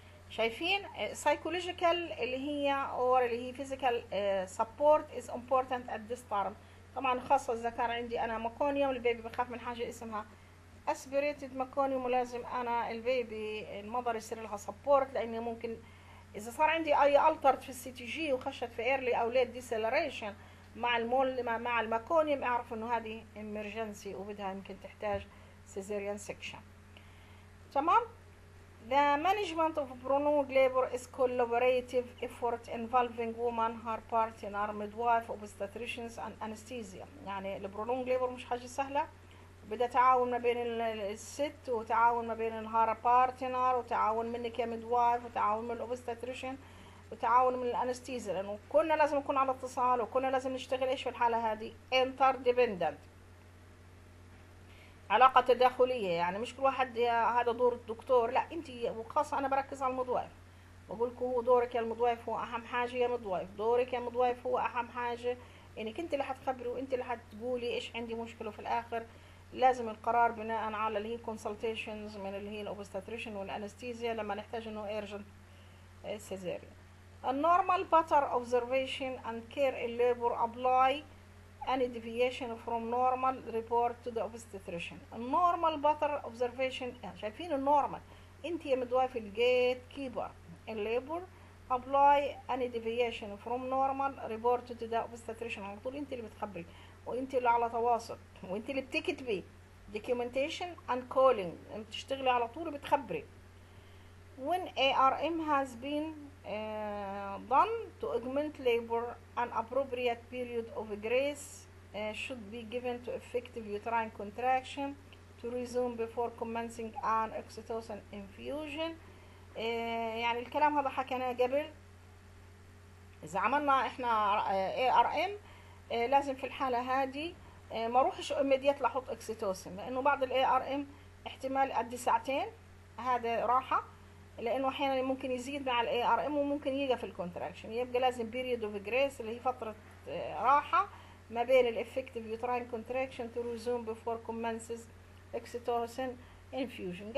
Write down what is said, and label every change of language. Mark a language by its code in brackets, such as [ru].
[ar] شايفين سايكولوجيكال اللي هي اور اللي هي فيزيكال سبورت از امبورتنت ات ذس تايم، طبعا خاصة إذا كان عندي أنا مكونيوم البيبي بخاف من حاجة اسمها أسبيريتد مكونيوم، ولازم أنا البيبي المضر يصير لها سبورت، لأني ممكن إذا صار عندي أي ألترت في السي تي جي وخشت في إيرلي أو ليت ديسلريشن مع المول مع المكونيوم، أعرف إنه هذه إمرجنسي وبدها يمكن تحتاج سيزيريان سكشن. [en] تمام؟ The management of prolonged labor is collaborative effort involving woman, her partner, midwife, obstetricians and anesthesia. [ar] يعني ال [en] prolonged labor [ar] مش حاجة سهلة، بدها تعاون ما بين الست وتعاون ما بين [en] her partner [ar] وتعاون منك يا midwife وتعاون من الobstetrician وتعاون من الانستيزيا، لأنه كلنا لازم نكون على اتصال وكلنا لازم نشتغل ايش في الحالة هذه interdependent. علاقة تداخلية، يعني مش كل واحد هذا دور الدكتور، لا انت، وخاصة انا بركز على المضوايف بقول لكم هو دورك يا المضوايف هو اهم حاجة، يا مضوايف دورك يا مضوايف هو اهم حاجة، انك انت اللي حتخبري وانت اللي حتقولي ايش عندي مشكلة، وفي الاخر لازم القرار بناء على اللي هي consultations من اللي هي الاوبستاتريشن والانستيزيا لما نحتاج انه ايرجنت سيزيريا. [en] النورمال pattern observation and care الليبر apply any deviation from normal report to the obstetrician. [ar] النورمال باتر اوبزرفيشن، شايفين النورمال، انت يا مدوايف الجيت كيبر ان ليبر، ابلاي اني ديفيشن فروم نورمال ريبورت تو ذا اوبستريشن، على طول انت اللي بتخبري وانت اللي على تواصل وانت اللي بتكتبي دوكيومنتيشن اند كولينج، بتشتغلي على طول وبتخبري. [en] When ARM has been done to augment labor, an appropriate period of grace should be given to effective uterine contraction to resume before commencing an oxytocin infusion. [ar] يعني الكلام هذا حكيناه قبل، إذا عملنا إحنا ARM لازم في الحالة هذه ما روحش إيميديت لحط أكسيتوسين، لأنه بعض الـ ARM احتمال قد ساعتين هذا راحة، لانه احيانا ممكن يزيد مع الاي ار ام وممكن يقف في الكونتراكشن، يبقى لازم بيريد اوف جريس اللي هي فتره راحه ما بين الافكتيف يوتراين كونتراكشن تو ريزوم بيفور كومنسز اكسيتوسين انفيوجن.